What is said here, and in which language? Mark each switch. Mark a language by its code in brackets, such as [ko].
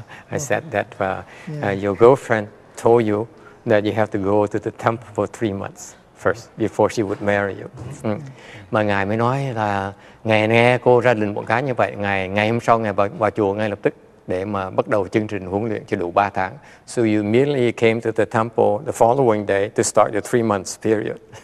[en] I said that your girlfriend told you that you have to go to the temple for 3 months first before she would marry you. [vi] Mà Ngài mới nói là Ngài nghe cô ra lệnh một cái như vậy, ngày hôm sau Ngài vào chùa ngay lập tức để mà bắt đầu chương trình huấn luyện cho đủ 3 tháng. [en] So you immediately came to the temple the following day to start the 3 months period.